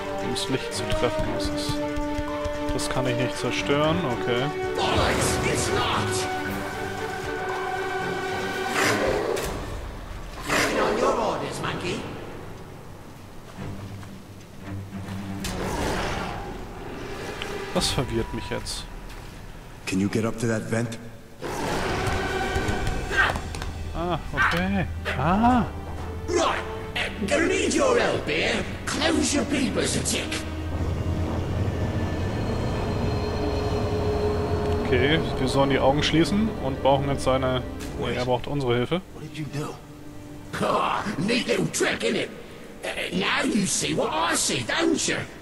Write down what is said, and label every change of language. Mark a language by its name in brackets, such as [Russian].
[German] Das Licht zu treffen, das ist. Das kann ich nicht zerstören, okay. Was verwirrt mich jetzt? [English] Can you get up to that vent? Ah, okay. Ah! Right! I need your help here! Close your peepers a tick! [German] Okay, wir sollen die Augen schließen und brauchen jetzt seine. Wait. Er braucht unsere Hilfe. [English] What did you do? Oh, neat little trick, innit? Now you see what I see, don't you?